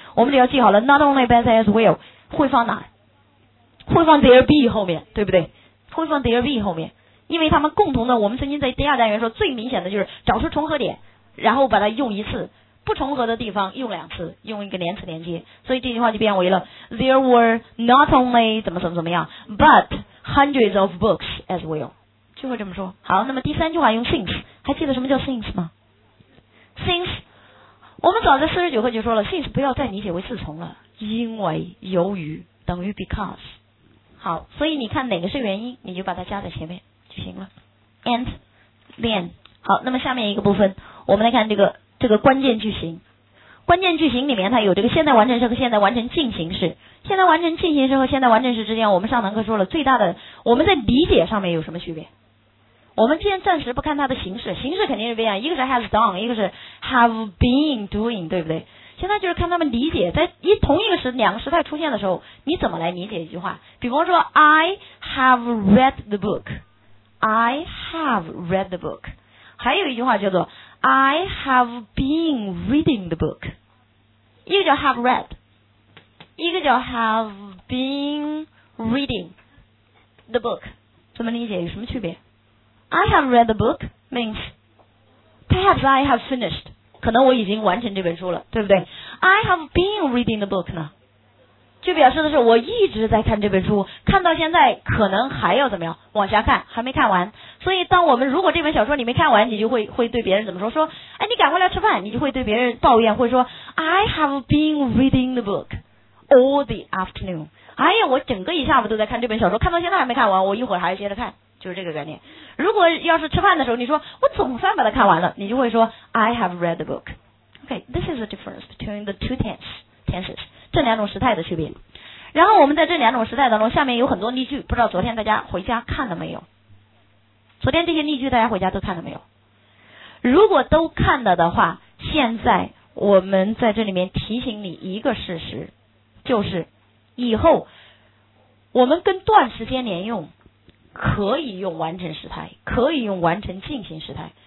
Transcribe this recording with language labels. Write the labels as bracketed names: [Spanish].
[Chinese] 我们只要记好了 not only but as will 会放哪？会放 there be 后面，对不对？会放 there be 后面，因为他们共同的，我们曾经在第二单元说最明显的就是找出重合点，然后把它用一次，不重合的地方用两次，用一个连词连接。所以这句话就变为了 [English] There were not only 怎么样 but hundreds of books as well， [Chinese] 就会这么说。好，那么第三句话用 since， 还记得什么叫 since 吗？Since 我们早在49课就说了， since 不要再理解为自从了，因为由于等于 because。好，所以你看哪个是原因你就把它加在前面就行了。 [English] and then， [Chinese] 好，那么下面一个部分我们来看这个关键句型。关键句型里面它有这个现在完成式和现在完成进行式。现在完成进行式和现在完成式之间，我们上堂课说了最大的我们在理解上面有什么区别。我们先暂时不看它的形式，形式肯定是不一样，一个是 has done， 一个是 have been doing， 对不对？现在就是看他们理解，在一同一个时两个时态出现的时候，你怎么来理解一句话？比方说 [English] I have read the book， I have read the book， [Chinese] 还有一句话叫做 [English] I have been reading the book， 一个叫 have read， 一个叫 have been reading the book， [Chinese] 怎么理解？有什么区别？ [English] I have read the book means perhaps I have finished， [Chinese] 可能我已经完成这本书了，对不对？ [English] I have been reading the book [Chinese] 呢，就表示的是我一直在看这本书，看到现在可能还要怎么样往下看，还没看完。所以当我们如果这本小说你没看完，你就会对别人怎么说，说哎，你赶快来吃饭，你就会对别人抱怨，会说 [English] I have been reading the book all the afternoon， [Chinese] 哎呀，我整个一下午都在看这本小说，看到现在还没看完，我一会儿还要接着看，就是这个概念。如果要是吃饭的时候你说我总算把它看完了，你就会说 [English] I have read the book。 Okay, this is the difference between the two tenses， [Chinese] 这两种时态的区别。然后我们在这两种时态当中，下面有很多例句，不知道昨天大家回家看了没有，昨天这些例句大家回家都看了没有？如果都看了的话，现在我们在这里面提醒你一个事实，就是以后我们跟段时间连用可以用完成时态，可以用完成进行时态。